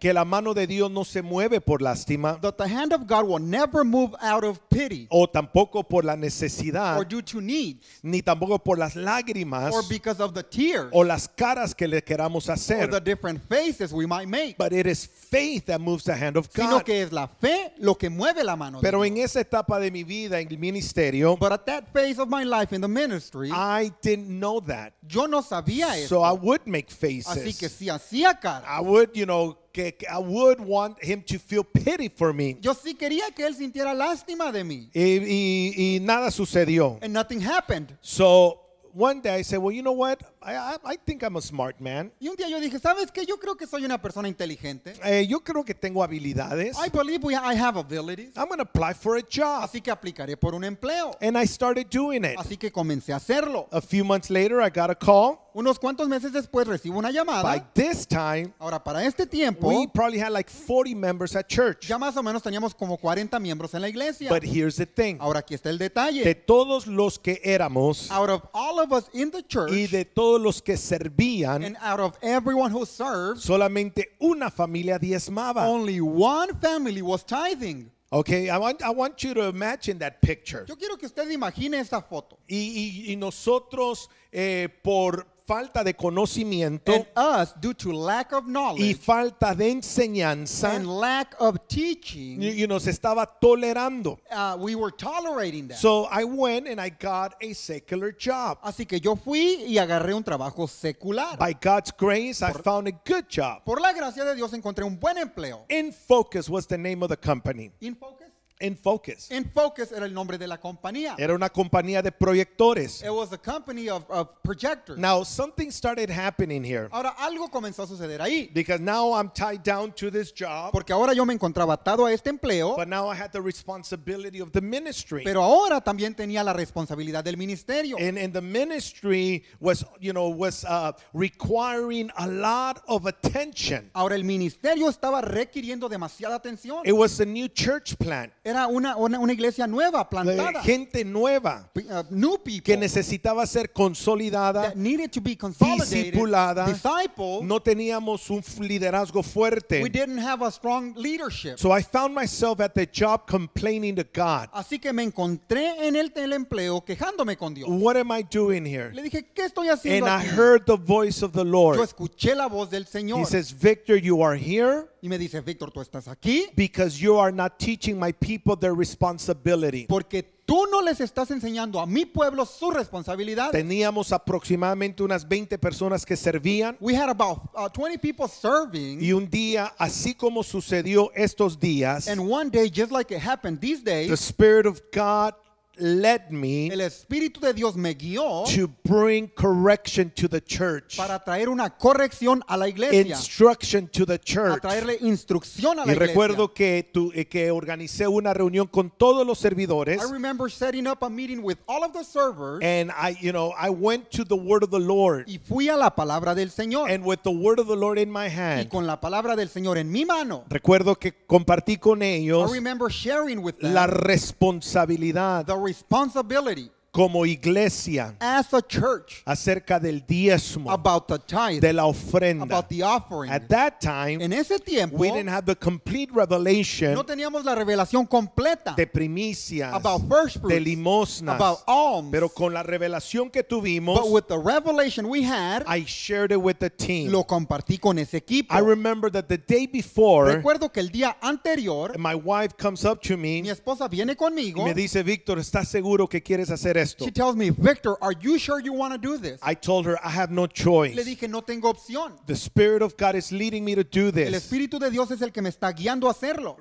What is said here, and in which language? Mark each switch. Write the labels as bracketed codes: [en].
[es] Que la mano de Dios no se mueve por lástima. [en] That the hand of God will never move out of pity. [es] O tampoco por la necesidad. [en] Or due to needs. [es] Ni tampoco por las lágrimas. [en] Or because of the tears. [es] O las caras que le queramos hacer. [en] Or the different faces we might make. But it is faith that moves the hand of God. [es] Sino que es la fe lo que mueve la mano de Pero Dios. En esa etapa de mi vida, en el ministerio, [en] But at that phase of my life in the ministry, I didn't know that. [es] Yo no sabía eso. [en] So I would make faces. [es] Así que sí hacía cara. [en] I would, you know, I would want him to feel pity for me. [es] Yo sí quería que él sintiera lástima de mí. Y nada sucedió. [en] And nothing happened. So one day I said, well, you know what? I think I'm a smart man. [es] Y un día yo dije, ¿sabes qué? Yo creo que soy una persona inteligente. Yo creo que tengo habilidades. [en] I believe I have abilities. I'm going to apply for a job. [es] Así que aplicaré por un empleo. [en] And I started doing it. [es] Así que comencé a hacerlo. [en] A few months later, I got a call. [es] Unos cuantos meses después recibo una llamada. [en] By this time, [es] ahora para este tiempo, [en] we probably had like 40 members at church. [es] Ya más o menos teníamos como 40 miembros en la iglesia. [en] But here's the thing. [es] Ahora aquí está el detalle. De todos los que éramos, [en] out of all of us in the church, [es] y de todos los que servían, [en] and out of everyone who served, [es] solamente una familia diezmaba. [en] Only one family was tithing. Okay, I want you to imagine that picture. [es] Yo quiero que usted imagine esa foto. Y nosotros por falta de conocimiento, [en] and us, due to lack of knowledge, [es] y falta de enseñanza, [en] and lack of teaching, [es] y nos estaba tolerando. [en] We were tolerating that. So I went and I got a secular job. [es] Así que yo fui y agarré un trabajo secular. [en] By God's grace, I found a good job. [es] Por la gracia de Dios encontré un buen empleo. [en] In Focus was the name of the company. In Focus. In Focus. [es] In Focus era el nombre de la compañía. Era una compañía de proyectores. [en] It was a company of projectors. Now something started happening here. [es] Ahora algo comenzó a suceder ahí. [en] Because now I'm tied down to this job. [es] Porque ahora yo me encontraba atado a este empleo. [en] But now I had the responsibility of the ministry. [es] Pero ahora también tenía la responsabilidad del ministerio. [en] And the ministry was, you know, was requiring a lot of attention. [es] Ahora el ministerio estaba requiriendo demasiada atención. [en] It was a new church plant. [es] Era una iglesia nueva plantada. Gente nueva. [en] New people. [es] Que necesitaba ser consolidada. [en] That needed to be consolidated. [es] Discipulada. [en] Disciple. [es] No teníamos un liderazgo fuerte. [en] We didn't have a strong leadership. So I found myself at the job complaining to God. [es] Así que me encontré en el empleo quejándome con Dios. [en] What am I doing here? [es] Le dije, ¿qué estoy haciendo [en] And [es] aquí? [en] I heard the voice of the Lord. [es] Yo escuché la voz del Señor. [en] He says, Victor, you are here. [es] Y me dice, Víctor, tú estás aquí. [en] Because you are not teaching my people their responsibility. [es] Porque tú no les estás enseñando a mi pueblo su responsabilidad. Teníamos aproximadamente unas 20 personas que servían. [en] We had about 20 people serving. [es] Y un día, así como sucedió estos días, [en] and one day, just like it happened these days, the Spirit of God led me, [es] el Espíritu de Dios me guió, [en] to bring correction to the church, [es] para traer una corrección a la iglesia, [en] instruction to the church, [es] a traerle instrucción a la iglesia. Y recuerdo que organicé una reunión con todos los servidores. [en] I remember setting up a meeting with all of the servers, and I, you know, I went to the word of the Lord, [es] y fui a la palabra del Señor, [en] and with the word of the Lord in my hand, [es] y con la palabra del Señor en mi mano. Recuerdo que compartí con ellos, [en] I remember sharing with them, [es] la responsabilidad, [en] a responsibility, [es] como iglesia, [en] as a church, [es] acerca del diezmo, [en] about the tithe, [es] de la ofrenda, [en] about the offering. At that time, [es] en ese tiempo, [en] we didn't have the complete revelation, [es] no teníamos la revelación completa, de primicias, [en] about first fruits, [es] de limosnas, [en] about alms. [es] Pero con la revelación que tuvimos, [en] but with the revelation we had, I shared it with the team. [es] Lo compartí con ese equipo. [en] I remember that the day before, [es] recuerdo que el día anterior, [en] my wife comes up to me, [es] mi esposa viene conmigo, y me dice, Víctor, ¿estás seguro que quieres hacer? [en] She tells me, Victor, are you sure you want to do this? I told her, I have no choice. [es] Le dije, no tengo opción. [en] The Spirit of God is leading me to do this. [es] El Espíritu de Dios es el que me está guiando a hacerlo.